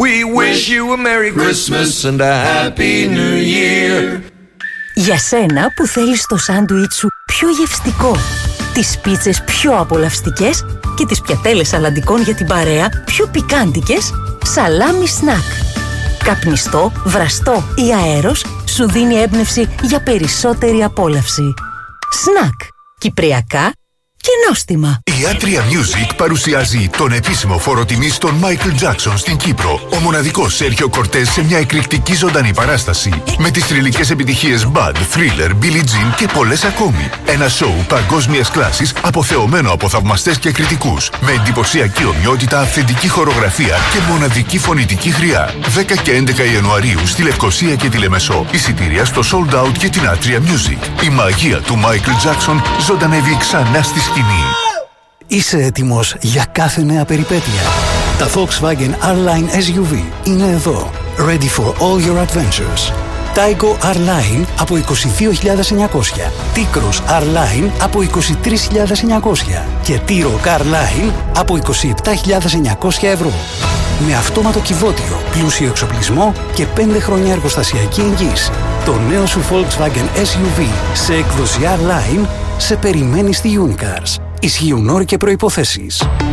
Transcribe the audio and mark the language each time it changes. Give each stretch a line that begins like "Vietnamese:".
English: We wish you a Merry Christmas and a Happy New Year.
Greek: Για σένα που θέλεις το σάντουιτς σου πιο γευστικό, τις πίτσες πιο απολαυστικές και τις πιατέλες σαλαντικών για την παρέα πιο πικάντικες, Σαλάμι Σνακ. Καπνιστό, βραστό ή αέρος σου δίνει έμπνευση για περισσότερη απόλαυση. Σνακ. Κυπριακά και νόστιμα. Η Atria Music παρουσιάζει τον επίσημο φόρο τιμής των Michael Jackson στην Κύπρο. Ο μοναδικός Σέρχιο Κορτές σε μια εκρηκτική ζωντανή παράσταση. Με τις θρυλικές επιτυχίες Bad, Thriller, Billie Jean και πολλές ακόμη. Ένα σοου παγκόσμιας κλάσης αποθεωμένο από θαυμαστές και κριτικούς. Με εντυπωσιακή ομοιότητα, αυθεντική χορογραφία και μοναδική φωνητική χρειά. 10 και 11 Ιανουαρίου στη Λευκοσία και τη Λεμεσό. Εισιτήρια στο Sold Out και την Atria Music. Η μαγεία του Michael Jackson ζωντανεύει ξανά στη σκηνή. Είσαι έτοιμος για κάθε νέα περιπέτεια. Τα Volkswagen R-Line SUV είναι εδώ.
English: Ready for all your adventures.
Greek: Taigo R-Line από 22.900. T-Cross R-Line από 23.900. Και T-Roc R-Line από 27.900 ευρώ. Με αυτόματο κυβότιο, πλούσιο εξοπλισμό και 5 χρόνια εργοστασιακή εγγύηση. Το νέο σου Volkswagen SUV σε έκδοση R-Line σε περιμένει στη Unicars. Ισχύουν όροι και προϋποθέσεις.